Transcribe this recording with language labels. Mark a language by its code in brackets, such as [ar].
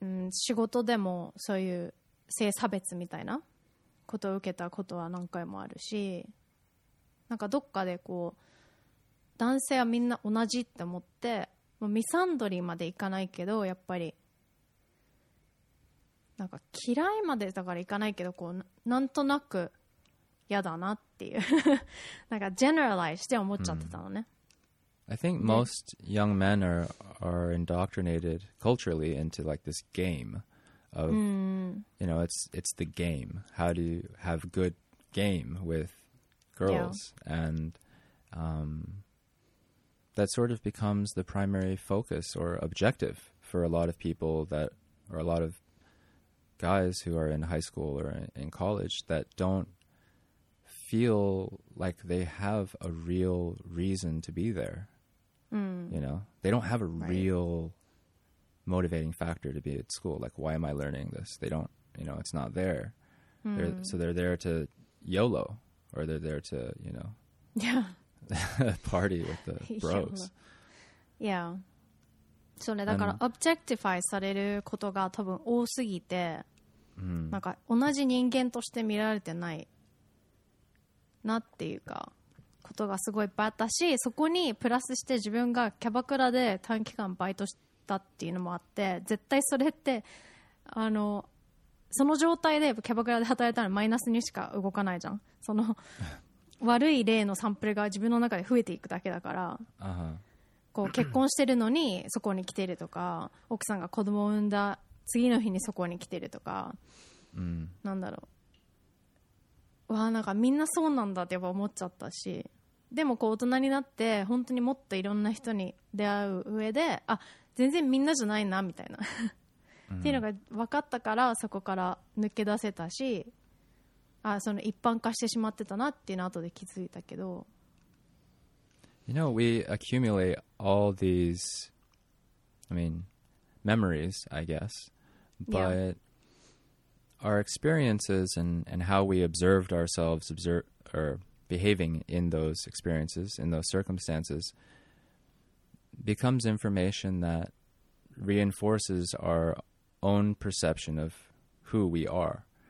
[ja] 仕事でもそういう性差別みたいなことを受けたことは何回もあるし、なんかどっかでこう男性はみんな同じって思って、もうミサンドリーまでいかないけど、やっぱりなんか嫌いまでだからいかないけど、こう なんとなく嫌だなっていうなんかジェネラライして思っちゃってたのね。 [en] I think most young men are indoctrinated culturally into like this game of, you know, it's the game. How do you have good game with girls? Yeah. And that sort of becomes the primary focus or objective for a lot of people that, or a lot of guys who are in high school or in college that don't feel like they have a real reason to be there. You know, they don't have a real motivating factor to be at school. Like, why am I learning this? They don't, you know, it's not there. So they're there to YOLO, or they're there to, you know, party with the bros. Yeah. [ja] そうね、だから objectify されることが多分多すぎて、なんか同じ人間として見られてないなっていうか、ことがすごいいっぱいあったし、そこにプラスして自分がキャバクラで短期間バイトしたっていうのもあって、絶対それってその状態でキャバクラで働いたらマイナスにしか動かないじゃん。その悪い例のサンプルが自分の中で増えていくだけだから、こう結婚してるのにそこに来てるとか、奥さんが子供を産んだ次の日にそこに来てるとか、なんだろう、わあ、なんかみんなそうなんだってやっぱ思っちゃったし、でもこう大人になって本当にもっといろんな人に出会う上で、あ、全然みんなじゃないなみたいなっていうのが分かったから、そこから抜け出せたし、あ、その一般化してしまってたなっていうの後で気づいたけど、 [en] You know, we accumulate all these, I mean, memories, I guess, but、yeah. Our experiences and how we observed ourselves or behaving in those experiences, in those circumstances, becomes information that reinforces our own perception of who we are.